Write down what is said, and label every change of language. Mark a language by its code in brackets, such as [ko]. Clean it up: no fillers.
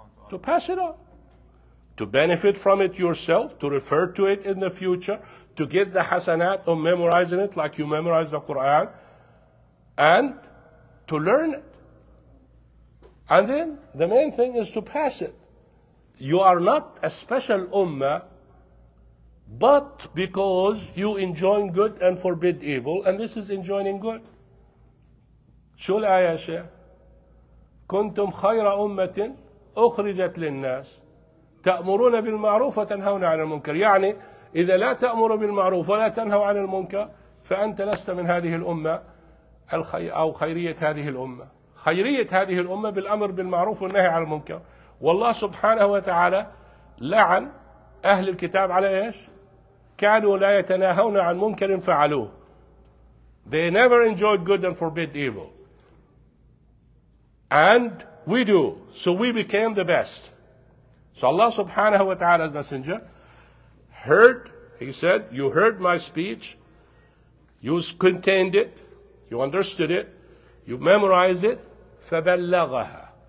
[en] To pass it on. To benefit from it yourself, to refer to it in the future, to get the hasanat of memorizing it like you memorize the Quran, and to learn it. And then the main thing is to pass it. You are not a special ummah, but because you enjoin good and forbid evil, and this is enjoining good. [ar] شو الآية يا شيخ؟ كنتم خير أمة أخرجت للناس تأمرون بالمعروف وتنهون عن المنكر. يعني إذا لا تأمر بالمعروف ولا تنهوا عن المنكر فأنت لست من هذه الأمة أو خيرية هذه الأمة. خيرية هذه الأمة بالأمر بالمعروف والنهي عن المنكر. والله سبحانه وتعالى لعن أهل الكتاب على إيش؟ كانوا لا يتناهون عن منكر فعلوه. [en] They never enjoyed good and forbid evil. And we do. So we became the best. So Allah subhanahu wa ta'ala's messenger heard, he said, you heard my speech, you contained it, you understood it, you memorized it, فَبَلَّغَهَا.